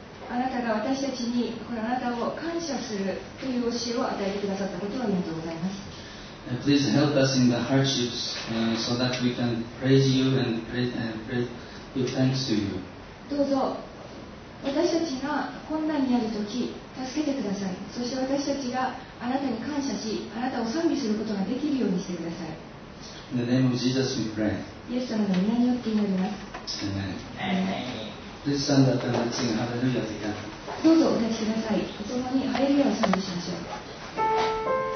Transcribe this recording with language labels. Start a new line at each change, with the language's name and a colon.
Japanese: あなたが私たちにこのあなたを感謝するという教えを与えてくださったことをありがとうございます。
English: Please help us in the hardships so that we can praise you and pray give thanks to you.
Japanese: どうぞ私たちが困難にあるとき助けてください。そして私たちがあなたに感謝し、あなたを賛美することができるようにしてください。
English: In the name of Jesus we pray.
Japanese: イエス様の皆によって祈ります。
English: Amen. Let's stand up and let's sing Hallelujah together.
Japanese: どうぞお立ちください。共にハレルヤを賛美しましょう。